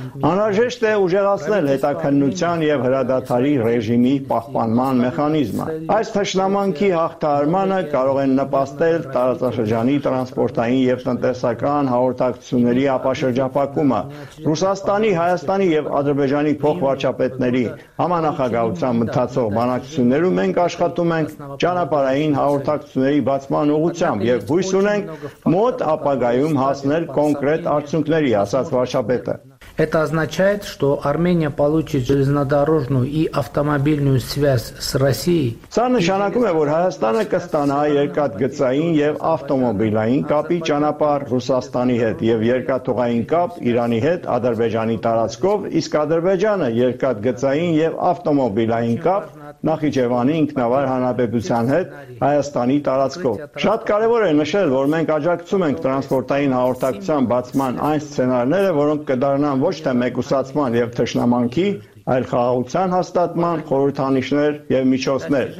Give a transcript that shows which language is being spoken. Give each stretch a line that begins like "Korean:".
Armenian: անհրաժեշտ է ուժեղացնել հետաքննության և հրադադարի ռեժիմի պահպանման մեխանիզմը։ Այս թշնամանքի հաղթահարմանը կարող են նպաստել տարածաշրջանի տրանսպորտային և տնտեսական հաղորդակցությունների ապաշրջապակումը։ Ռուսաստանի, Հայաստանի և Ադրբեջանի փոխվարչապետների համանախագահության մտածող բանակցություններում մենք աշխատում ենք ճանապարհային հաղորդակցությունների բացման ուղղությամբ և հույս ունենք մոտ ապագայում հասնել կոնկրետ արդյունքների, ասաց վարչապետը։
Russian: Это означает, что Армения получит железнодорожную и автомобильную связь с Россией.
Armenian: Սա նշանակում է, որ Հայաստանը կստանա երկաթգծային և ավտոմոբիլային կապի ճանապարհ Ռուսաստանի հետ և երկաթուղային կապ Իրանի հետ Ադրբեջանի տարածքով, իսկ Ադրբեջանը երկաթգծային և ավտոմոբիլային կապ Նախիջևանի ինքնավար հանրապետության հետ Հայաստանի տարածքով։ Շատ կարևոր է նշել, որ մենք աջակցում ենք տրանսպորտային հաղորդակցության բացման այն սցենարները, որոնք կդառնան ոչ թե մեկուսացման և թշնամանքի, այլ խաղաղության հաստատման խորհրդանիշներ և միջոցներ։